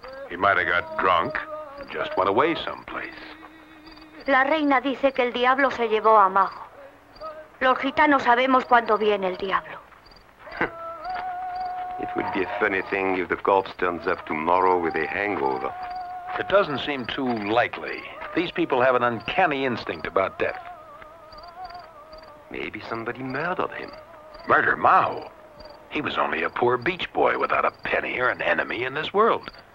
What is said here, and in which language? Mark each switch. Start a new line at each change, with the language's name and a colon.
English: He might have got drunk and just went away someplace.
Spanish: La reina dice que el diablo se llevó a Majo. Los gitanos sabemos cuándo viene el diablo.
English: It would be a funny thing if the corpse turns up tomorrow with a hangover. It doesn't seem too likely. These people have an uncanny instinct about death. Maybe somebody murdered him. Murder Majo? He was only a poor beach boy without a penny or an enemy in this world.